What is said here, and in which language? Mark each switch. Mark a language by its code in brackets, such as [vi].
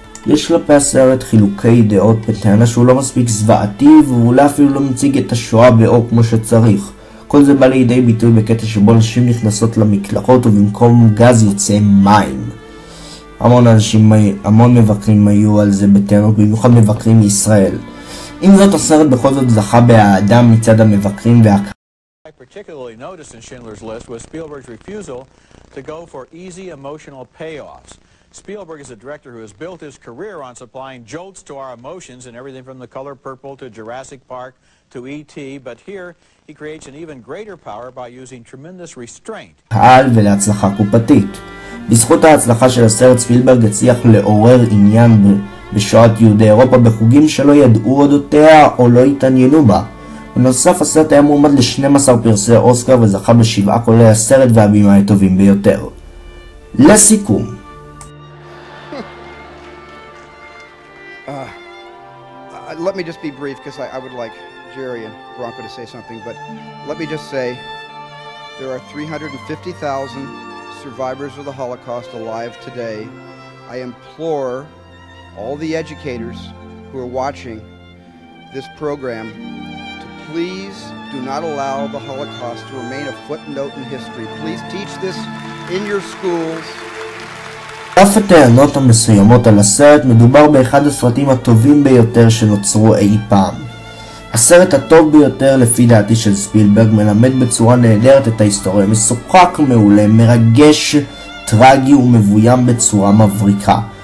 [he] יש כלפי הסרט חילוקי דעות בטענה שהוא לא מספיק זוועתי, ואולי אפילו לא מציג את השואה באור כמו שצריך. כל זה בא לידי ביטוי בקטע שבו נשים נכנסות למקלחות ובמקום גז יוצא מים. המון אנשים, המון מבקרים היו על זה בטענות, במיוחד מבקרים מישראל. עם זאת הסרט בכל זאת זכה באהדה מצד המבקרים והקהל. [en] I particularly noticed in Schindler's List was Spielberg's refusal to go for easy emotional payoffs. Spielberg is a director who has built his career on supplying jolts to our emotions and everything from The Color Purple to Jurassic Park to E.T. but here he creates an even greater power by using tremendous restraint. [he] העל ולהצלחה קופתית. בזכות ההצלחה של הסרט ספילברג הצליח לעורר עניין בשואת יהודי אירופה בחוגים שלא ידעו אודותיה או לא התעניינו בה. בנוסף הסרט היה מועמד ל-12 פרסי אוסקר וזכה ב-7 כולל הסרט והבימאי הטובים ביותר. לסיכום. [en] let me just be brief because I would like Jerry and Bronco to say something, but let me just say there are 350,000 survivors of the Holocaust alive today. I implore all the educators who are watching this program to please do not allow the Holocaust to remain a footnote in history. Please teach this in your schools. [he] אף הטענות המסוימות על הסרט, מדובר באחד הסרטים הטובים ביותר שנוצרו אי פעם. הסרט הטוב ביותר לפי דעתי של ספילברג מלמד בצורה נהדרת את ההיסטוריה, משוחק מעולה, מרגש, טרגי ומבוים בצורה מבריקה.